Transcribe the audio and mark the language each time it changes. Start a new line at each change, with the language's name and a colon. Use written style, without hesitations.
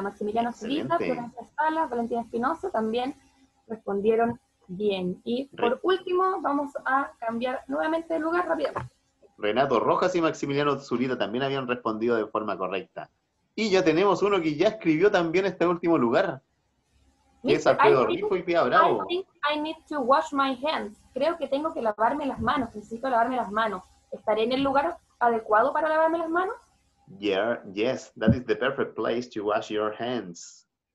Spanish: Maximiliano Zurita, Florencia Salas, Valentina Espinosa también respondieron bien. Y por último, vamos a cambiar nuevamente de lugar rápidamente. Renato Rojas y Maximiliano Zurita también habían respondido de forma correcta. Y ya tenemos uno que ya escribió también este último lugar. Es Alfredo Rifo y Pia Bravo.
English: I think I need to wash my hands.
Spanish: Creo que tengo que lavarme las manos, necesito lavarme las manos. ¿Estaré en el lugar adecuado para lavarme las manos?
English: Yeah, yes, that is the perfect place to wash your hands.